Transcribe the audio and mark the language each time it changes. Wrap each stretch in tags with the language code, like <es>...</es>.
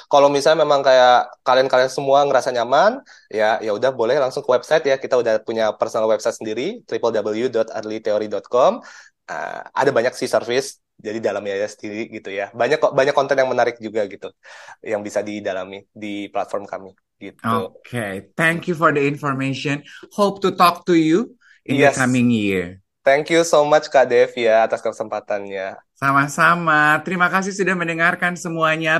<id>Kalau misalnya memang kayak kalian-kalian semua ngerasa nyaman, ya ya udah boleh langsung ke website ya, kita udah punya personal website sendiri, www.earlytheory.com. Ada banyak sih service, jadi dalami aja sendiri gitu ya. Banyak kok, banyak konten yang menarik juga gitu, yang bisa didalami di platform kami gitu.</id> <en>Okay, thank you for the information, hope to talk to you in the coming year. Thank you so much Kak Devi</en> <id>ya atas kesempatannya. Sama-sama. Terima kasih sudah mendengarkan semuanya.</id>